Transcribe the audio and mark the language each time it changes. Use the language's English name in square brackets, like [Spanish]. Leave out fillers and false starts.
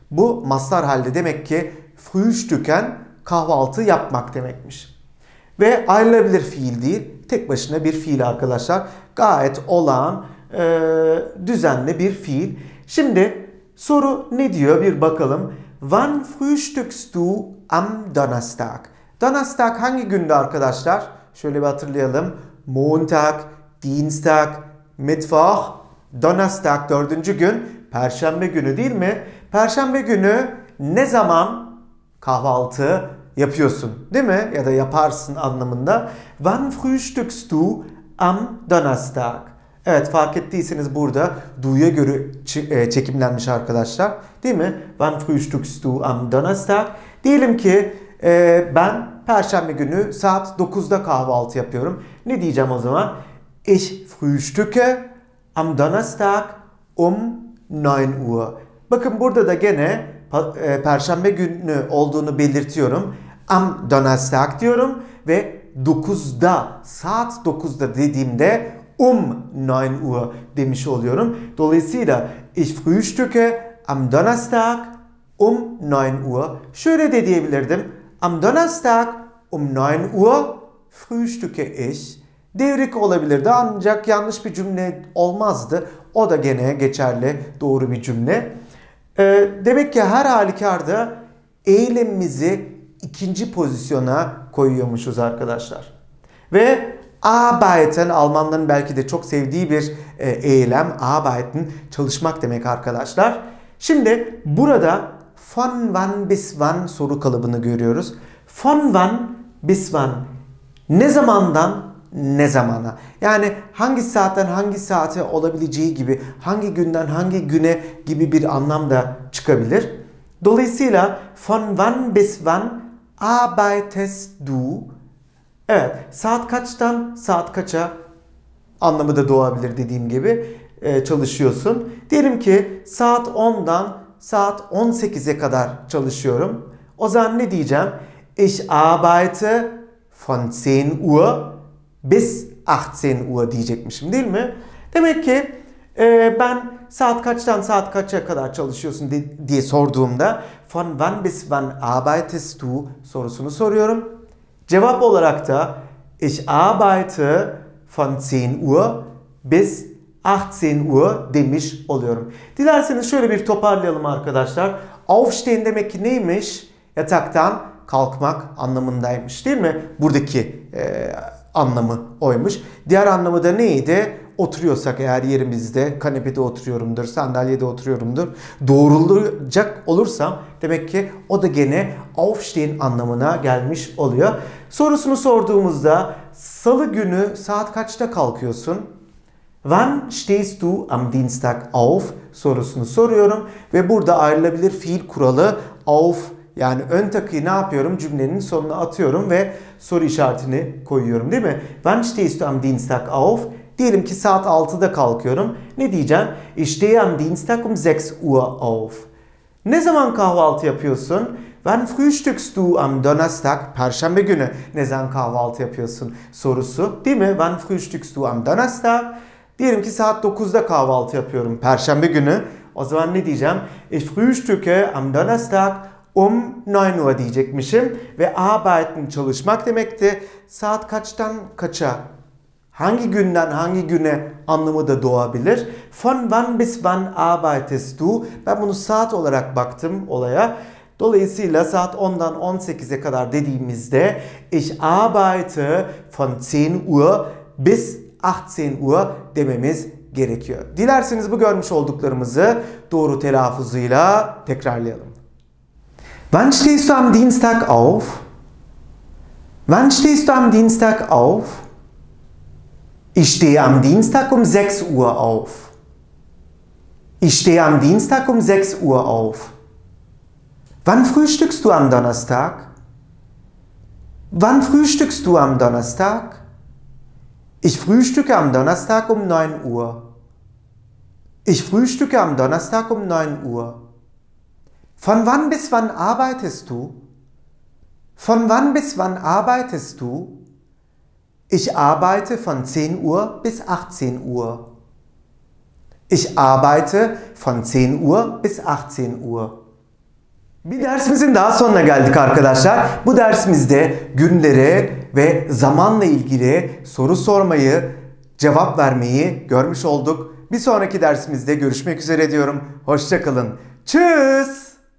[Turkish] Bu masdar halde demek ki frühstücken kahvaltı yapmak demekmiş. Ve ayrılabilir fiil değil, tek başına bir fiil arkadaşlar. Gayet olağan, düzenli bir fiil. Şimdi soru ne diyor bir bakalım. [German] Wann frühstückst du am Donnerstag? [Turkish] Donnerstag hangi gündü arkadaşlar? Şöyle bir hatırlayalım. [German] Montag, Dienstag, Mittwoch, Donnerstag [Turkish] dördüncü gün. Perşembe günü değil mi? Perşembe günü ne zaman kahvaltı yapıyorsun değil mi? Ya da yaparsın anlamında. [German] Wann frühstückst du am Donnerstag? [Turkish] Evet, fark ettiyseniz burada du'ya göre çekimlenmiş arkadaşlar. Değil mi? [German] Wann frühstückst du am Donnerstag? [Turkish] Diyelim ki ben perşembe günü saat 9'da kahvaltı yapıyorum. Ne diyeceğim o zaman? [German] Ich frühstücke am Donnerstag 9 Uhr. [Turkish] Bakın burada da gene perşembe günü olduğunu belirtiyorum. [German] Am Donnerstag [Turkish] diyorum ve 9'da, saat 9'da dediğimde [German] 9 Uhr [Turkish] demiş oluyorum. Dolayısıyla [German] ich frühstücke am Donnerstag 9 Uhr. [Turkish] Şöyle de diyebilirdim. [German] Am Donnerstag 9 Uhr frühstücke ich. [Turkish] Devrik olabilirdi ancak yanlış bir cümle olmazdı. O da gene geçerli, doğru bir cümle. Demek ki her halükarda eylemimizi ikinci pozisyona koyuyormuşuz arkadaşlar. Ve arbeiten, Almanların belki de çok sevdiği bir eylem. Arbeiten, çalışmak demek arkadaşlar. Şimdi burada [German] von wann bis wann [Turkish] soru kalıbını görüyoruz. [German] Von wann bis wann, [Turkish] ne zamandan ne zamana? Yani hangi saatten hangi saate olabileceği gibi, hangi günden hangi güne gibi bir anlam da çıkabilir. Dolayısıyla [German] von wann bis wann arbeitest du? [Turkish] Evet, saat kaçtan saat kaça anlamı da doğabilir dediğim gibi çalışıyorsun. Diyelim ki saat 10'dan saat 18'e kadar çalışıyorum. O zaman ne diyeceğim? [German] Ich arbeite von 10 Uhr bis 18 Uhr [Turkish] diyecekmişim değil mi? Demek ki ben saat kaçtan saat kaça kadar çalışıyorsun diye sorduğumda [German] von wann bis wann arbeitest du [Turkish] sorusunu soruyorum. Cevap olarak da [German] ich arbeite von 10 Uhr bis 18 Uhr [Turkish] demiş oluyorum. Dilerseniz şöyle bir toparlayalım arkadaşlar. Aufstehen demek ki neymiş? Yataktan kalkmak anlamındaymış değil mi? Buradaki anlamı oymuş. Diğer anlamı da neydi? Oturuyorsak eğer yerimizde, kanepede oturuyorumdur, sandalyede oturuyorumdur. Doğrulacak olursam demek ki o da gene aufstehen anlamına gelmiş oluyor. Sorusunu sorduğumuzda salı günü saat kaçta kalkıyorsun? [German] Wann stehst du am Dienstag auf [Turkish] sorusunu soruyorum. Ve burada ayrılabilir fiil kuralı auf, yani ön takıyı ne yapıyorum? Cümlenin sonuna atıyorum ve soru işaretini koyuyorum değil mi? [German] Wann stehst du am Dienstag auf? [Turkish] Diyelim ki saat 6'da kalkıyorum. Ne diyeceğim? [German] Ich stehe am Dienstag 6 Uhr auf. [Turkish] Ne zaman kahvaltı yapıyorsun? [German] Wann frühstückst du am Donnerstag? [Turkish] Perşembe günü ne zaman kahvaltı yapıyorsun sorusu değil mi? [German] Wann frühstückst du am Donnerstag? [Turkish] Diyelim ki saat 9'da kahvaltı yapıyorum perşembe günü. O zaman ne diyeceğim? [German] Ich frühstücke am Donnerstag 9 Uhr [Turkish] diyecekmişim. Ve arbeiten, çalışmak demekti. Saat kaçtan kaça hangi günden hangi güne anlamı da doğabilir. [German] Von wann bis wann arbeitest du? [Turkish] Ben bunu saat olarak baktım olaya. Dolayısıyla saat 10'dan 18'e kadar dediğimizde [German] ich arbeite von 10 Uhr bis 18 Uhr [Turkish] dememiz gerekiyor. Dilerseniz bu görmüş olduklarımızı doğru telaffuzuyla tekrarlayalım. [German] Wann stehst du am Dienstag auf? Wann stehst du am Dienstag auf? Ich stehe am Dienstag um 6 Uhr auf. Ich stehe am Dienstag um 6 Uhr auf. Wann frühstückst du am Donnerstag? Wann frühstückst du am Donnerstag? Ich frühstücke am Donnerstag um 9 Uhr. Ich frühstücke am Donnerstag um 9 Uhr. Von wann bis wann arbeitest du? Von wann bis wann arbeitest du? Ich arbeite von 10 Uhr bis 18 Uhr. Ich arbeite von 10 Uhr bis 18 Uhr. [Turkish] Bir dersimizin daha sonuna geldik arkadaşlar. Bu dersimizde günleri ve zamanla ilgili soru sormayı, cevap vermeyi görmüş olduk. Bir sonraki dersimizde görüşmek üzere diyorum. Hoşça kalın. [German] Tschüss.